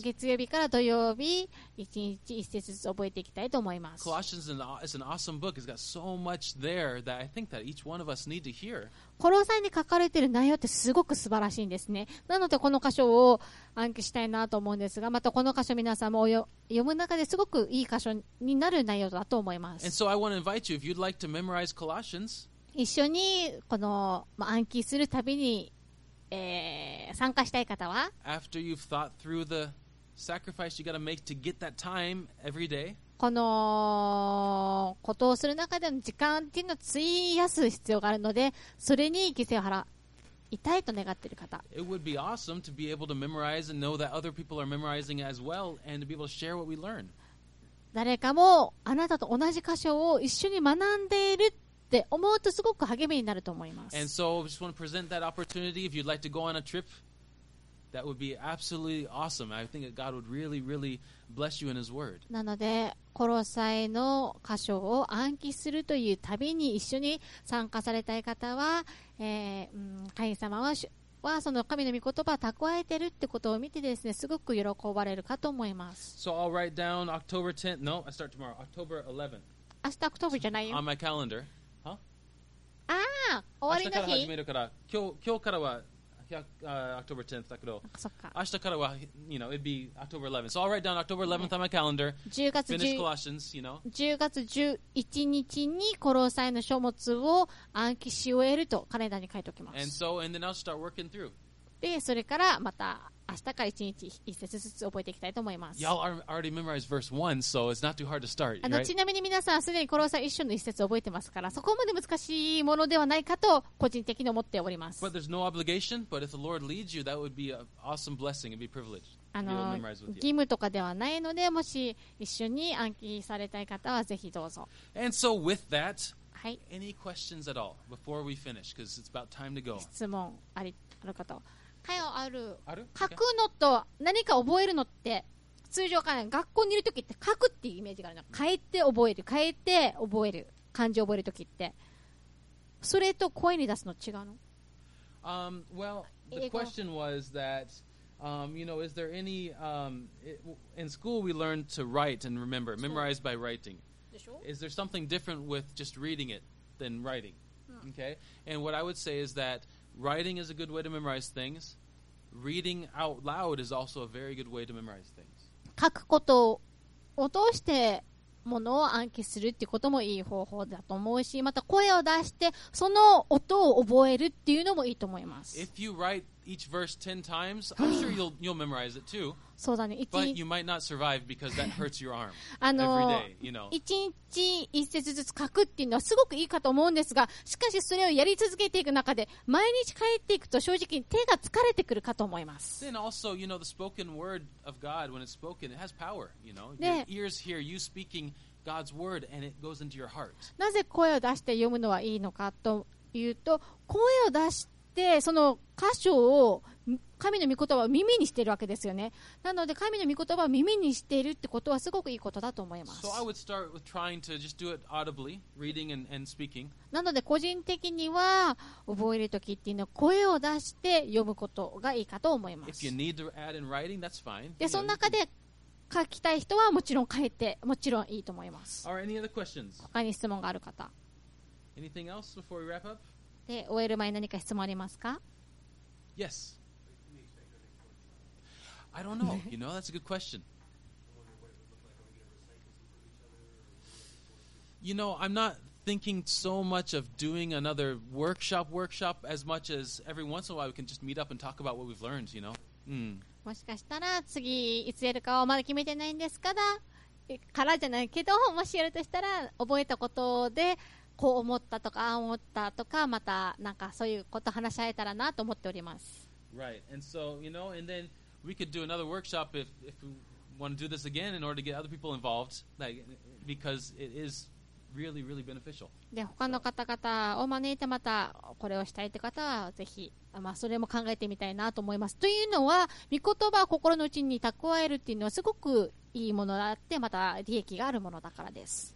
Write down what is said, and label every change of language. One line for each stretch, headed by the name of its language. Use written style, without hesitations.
Japanese: 月曜日から土曜日、1日1節ずつ覚えていきたいと思います。
English: Colossians is an awesome book. It's got so much there that I think that each one of us need to hear.
Japanese: コロサイに書かれている内容ってすごく素晴らしいんですね。なのでこの箇所を暗記したいなと思うんですが、またこの箇所皆さんも読む中ですごくいい箇所になる内容だと思います。
English: And so I want to invite you, if you'd like to memorize Colossians,
Japanese: 一緒にこの、暗記するたびに、参加したい方は、
English: After you've thought through the sacrifice you got to make to get that time every day,
Japanese: このことをする中での時間っていうのを費やす必要があるので、それに犠牲を払いたいと願っている方。
English: It would be awesome to be able to memorize and know that other people are memorizing as well and to be able to share what we learn.
Japanese: 誰かもあなたと同じ箇所を一緒に学んでいるって思うとすごく励みになると思います。
English: And so I just want to present that opportunity if you'd like to go on a trip. That would be absolutely awesome. I think that God would really, really bless you in His Word.
Japanese: なのでコロサイの箇所を暗記するという旅に一緒に参加されたい方は、神様はその神の御言葉を蓄えているってことを見てですね、すごく喜ばれるかと思います。
English: So I'll write down October 10th. No, I start tomorrow. October 11th.
Japanese: 明日 October じゃないよ。
English: On my calendar.
Japanese: あ、終わりの日。明日から始めるから、今日からは。
English: October 10th,
Japanese: だけど明日からは、
English: you know, it'd be October 11th. So I'll write down October 11th on my calendar. Finish Colossians, you know.
Japanese: 10月11日にコロサイの書物を暗記し終えるとカレンダーに書いておきます。
English: And then I'll start working through.
Japanese: で、それからまた明日から1日1節ずつ覚えていきたいと思います。
English: Y'all already memorized verse 1, so it's not too hard to start, right?
Japanese: ちなみに皆さんすでにコロサイ1章の1節覚えてますから、そこまで難しいものではないかと個人的に思っております。
English: But there's no obligation, but if the Lord leads you, that would be an awesome blessing. It'd be a privilege to be able to memorize with you.
Japanese: 義務とかではないので、もし一緒に暗記されたい方はぜひどうぞ。
English: And so with that, any questions at all before we finish? Because it's about time to go.
Japanese: 質問ある方。かよある。ある？書くのと何か覚えるのって通常から学校にいるときって書くっていうイメージがあるの。書いて覚える、書いて覚える、漢字を覚えるときってそれと声に出すの違うの？
English: Well, the question was that, you know, is there any, in school we learn to write and remember, memorize by writing.
Japanese: でしょ？
English: Is there something different with just reading it than writing? Okay. And what I would say is that. Writing is a good way to memorize things. Reading out loud is also a very good way to memorize things.
Japanese: 書くことを通してものを暗記するっていうこともいい方法だと思うし、また声を出してその音を覚えるっていうのもいいと思います。
English: If you write each verse 10 times, I'm sure you'll memorize it too.
Japanese: そうだね。
English: But you might not survive because that hurts your arm every day, you know.
Japanese: 一日一節ずつ書くっていうのはすごくいいかと思うんですが、しかしそれをやり続けていく中で毎日書いていくと正直に手が疲れてくるかと思います。
English: Then also, you know, the spoken word of God, when it's spoken, it has power, you know. Your ears hear you speaking God's word and it goes into your heart.
Japanese: なぜ声を出して読むのはいいのかというと、声を出してでその箇所を神の御言葉を耳にしているわけですよね。なので神の御言葉を耳にしているってことはすごくいいことだと思います。
English: So I would start with trying to just do it audibly, reading and speaking.
Japanese: なので個人的には覚えるときっていうのは声を出して読むことがいいかと思います。
English: If you need to add in writing, that's fine.
Japanese: でその中で書きたい人はもちろん書いてもちろんいいと思います。
English: Are any other questions?
Japanese: 他に質問がある方。
English: Anything else before we wrap up?
Japanese: 終える前に何か質問ありますか？
English: Yes. I don't know. You know, that's a good question. You know, I'm not thinking so much of doing another workshop as much as every once in a while we can just meet up and talk about what we've learned, you know?、
Japanese: もしかしたら次いつやるかはまだ決めてないんですから、からじゃないけど、もしやるとしたら覚えたことで、こう思ったとか、ああ思ったとか、またなんかそういうこと話し合えたらなと思っております。
English: Right. And so, you know, and then we could do another workshop if we want to do this again in order to get other people involved, like, because it is really, really beneficial.
Japanese: で、他の方々を招いてまたこれをしたいって方は、ぜひ、まあそれも考えてみたいなと思います。というのは、御言葉を心の内に蓄えるっていうのはすごくいいものだって、また利益があるものだからです。